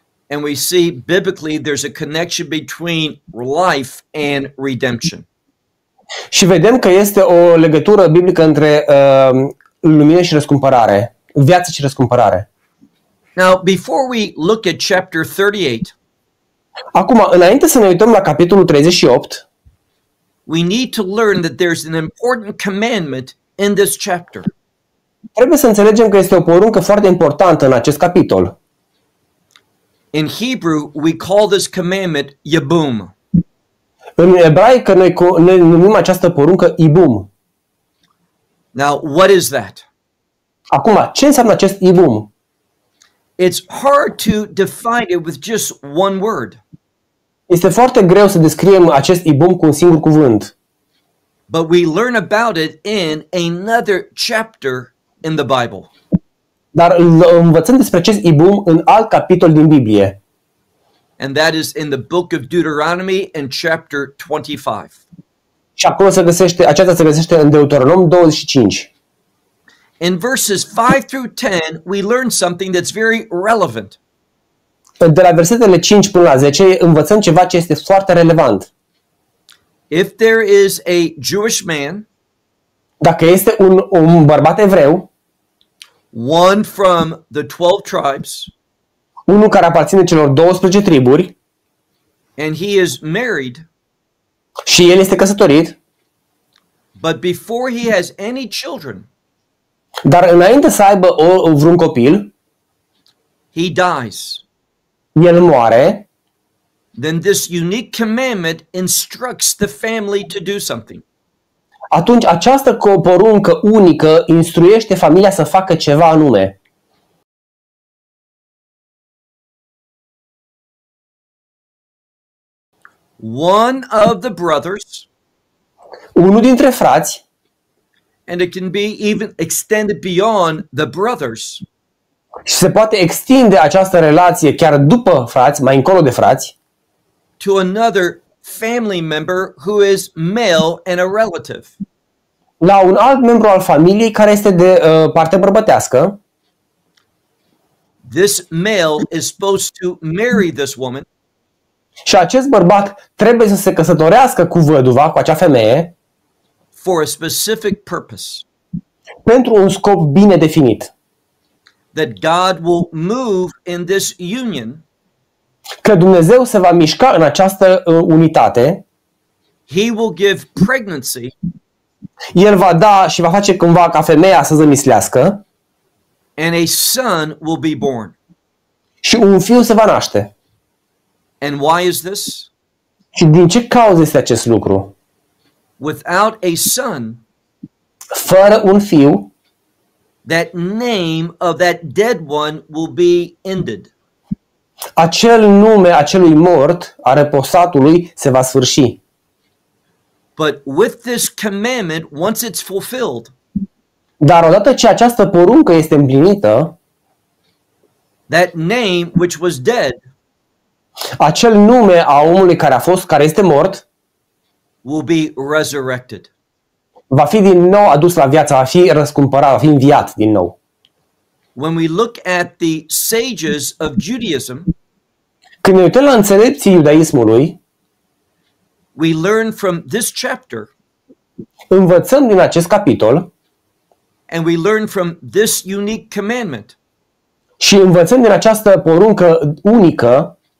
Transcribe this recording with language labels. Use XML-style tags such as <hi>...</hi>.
<en>And we see biblically there's a connection between life and redemption.</en> <ro>Și vedem că este o legătură biblică între lumină și răscumpărare, viață și răscumpărare.</ro> <en>Now, before we look at chapter 38.</en> <ro>Acum, înainte să ne uităm la capitolul 38,</ro> <en>we need to learn that there's an important commandment in this chapter.</en> <ro>Trebuie să înțelegem că este o poruncă foarte importantă în acest capitol.</ro> <en>In Hebrew, we call this commandment Yibum.</en> <ro>În ebraică ne numim această poruncă Ibum.</ro> <en>Now, what is that?</en> <ro>Acum, ce înseamnă acest Ibum?</ro> <en>It's hard to define it with just one word.</en> <ro>Este foarte greu să descriem acest Ibum cu un singur cuvânt.</ro> <en>But we learn about it in another chapter in the Bible.</en> <ro>Dar învățăm despre acest Ibum în alt capitol din Biblie.</ro> <en>And that is in the book of Deuteronomy in chapter 25.</en> <ro>Și acolo se găsește în Deuteronom 25.</ro> <en>In verses 5 through 10, we learn something that's very relevant.</en> <ro>De la versetele 5 până la 10, învățăm ceva ce este foarte relevant.</ro> <en>If there is a Jewish man,</en> <ro>dacă este un bărbat evreu,</ro> <en>one from the 12 tribes,</en> <ro>unul care aparține celor 12 triburi,</ro> <en>and he is married,</en> <ro>și el este căsătorit,</ro> <en>but before he has any children,</en> <ro>dar înainte să aibă vreun copil,</ro> <en>He dies.</en> <ro>El moare.</ro> <en>Then this unique commandment instructs the family to do something.</en> <ro>Atunci această poruncă unică instruiește familia să facă ceva anume.</ro> <en>One of the brothers.</en> <ro>Unul dintre frați.</ro> <en>And it can be even extended beyond the brothers.</en> <ro>Și se poate extinde această relație chiar după frați, mai încolo de frați.</ro> <en>To another family member who is male and a relative.</en> <ro>La un alt membru al familiei care este de parte bărbătească.</ro> <en>This male is supposed to marry this woman.</en> <ro>Și acest bărbat trebuie să se căsătorească cu văduva, cu acea femeie.</ro> <en>For a specific purpose.</en> <ro>Pentru un scop bine definit.</ro> <en>That God will move in this union.</en> <ro>Că Dumnezeu se va mișca în această unitate.</ro> <en>He will give pregnancy.</en> <ro>El va da și va face cumva ca femeia să zămislească.</ro> <en>And a son will be born.</en> <ro>Și un fiu se va naște.</ro> <en>And why is this?</en> <ro>Și din ce cauză este acest lucru?</ro> <en>Without a son,</en> <ro>fără un fiu,</ro> <en>that name of that dead one will be ended.</en> <ro>Acel nume acelui mort, a reposatului, se va sfârși.</ro> <en>But with this commandment, once it's fulfilled,</en> <ro>dar odată ce această poruncă este împlinită,</ro> <en>that name which was dead,</en> <ro>acel nume a omului care a fost, care este mort,</ro> <en>will be resurrected.</en> <ro>Va fi din nou adus la viață, va fi răscumpărat, va fi înviat din nou.</ro> <en>When we look at the sages of Judaism,</en> <ro>când ne uităm la înțelepții iudaismului,</ro> <en>we learn from this chapter,</en> <ro>învățăm din acest capitol,</ro> <en>and we learn from this unique commandment,</en> <ro>și învățăm din această poruncă unică,</ro>